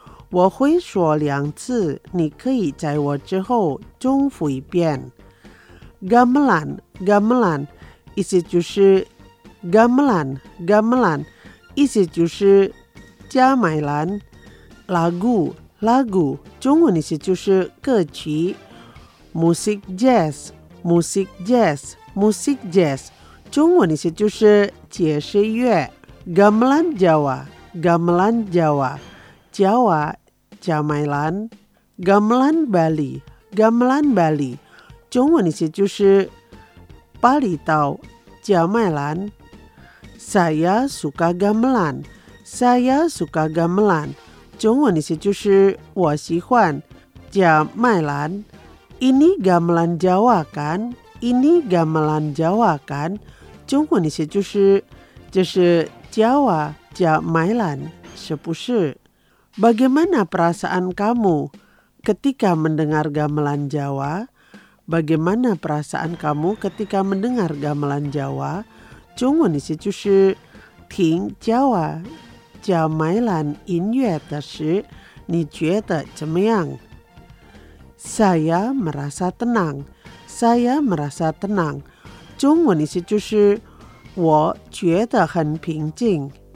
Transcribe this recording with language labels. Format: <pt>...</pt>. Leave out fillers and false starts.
<zh>我会说两次, 你可以在我之后重复一遍。 Gamelan, gamelan, 意思就是 gamelan, gamelan, 意思就是 加麦兰,</zh> <id>lagu, lagu,</id> <zh>中文意思就是歌曲。</zh> <en>Music jazz, music jazz, music jazz,</en> <zh>中文意思就是爵士乐。 Gamelan Jawa, gamelan Jawa, Jawa, 加麦兰, gamelan Bali, gamelan Bali, 中文意思就是巴厘岛加麦兰。</zh> <id>Saya suka gamelan, saya suka gamelan,</id> <zh>中文意思就是我喜欢加麦兰。</zh> <id>Ini gamelan Jawa kan? Ini gamelan Jawa kan?</id> <zh>中文意思就是 Jawa, 加麦兰, 是不是?</zh> <id>Bagaimana perasaan kamu ketika mendengar gamelan Jawa? Bagaimana perasaan kamu ketika mendengar gamelan Jawa?</id> <zh>中文意思就是 听 Jawa, 加麦兰音乐的时, 你觉得怎么样?</zh> <id>Saya merasa tenang. Saya merasa tenang.</id> <zh>中文意思就是 我觉得很平静.</zh>